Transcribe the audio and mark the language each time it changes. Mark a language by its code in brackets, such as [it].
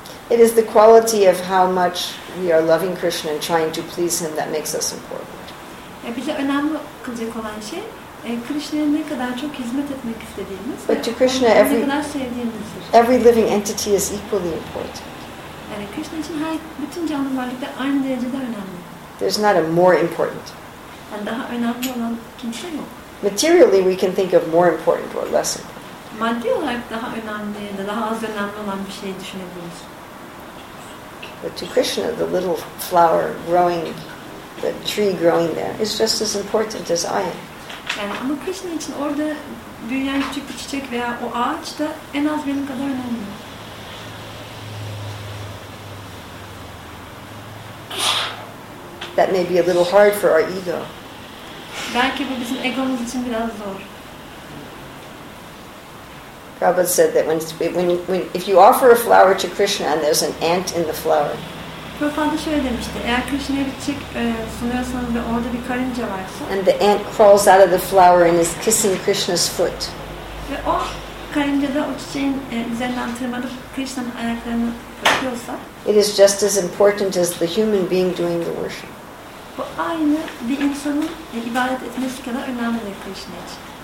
[en] It is the quality of how much we are loving Krishna and trying to please him that makes us important. [tr] Bize önemli kılacak olan şey Krishna'ya ne kadar çok hizmet etmek istediğimiz. [en] But to Krishna, every living entity is equally important. [tr] Yani Krishna için her bütün canlı varlık da aynı derecede önemli. [en] There's not a more important. [tr] Yani daha önemli olan kimse yok. [en] Materially we can think of more important or less important. [tr] Maddi olarak daha önemli ya da daha az önemli olan bir şey düşünebiliriz. [en] But to Krishna, the little flower growing, the tree growing there, is just as important as I am. [tr] Yani ama Krishna için orada büyüyen küçük bir çiçek veya o ağaç da en az benim kadar önemli. [en] That may be a little hard for our ego. [tr] Belki bu bizim egomuz için biraz zor. [en] Prabhupada said that when if you offer a flower to Krishna and there's an ant in the flower. [tr] Prabhupada şöyle demişti. Eğer Krishna'ya bir çiçek sunuyorsanız ve orada bir karınca varsa. [en] And the ant crawls out of the flower and is kissing Krishna's foot. [tr] Ve o karınca da o çiçeğin üzerinden tırmanıp Krishna'nın ayaklarını öpüyorsa. [en] It is just as important as the human being doing the worship. [tr] Bu aynı bir insanın ibadet etmesi kadar önemli Krishna için.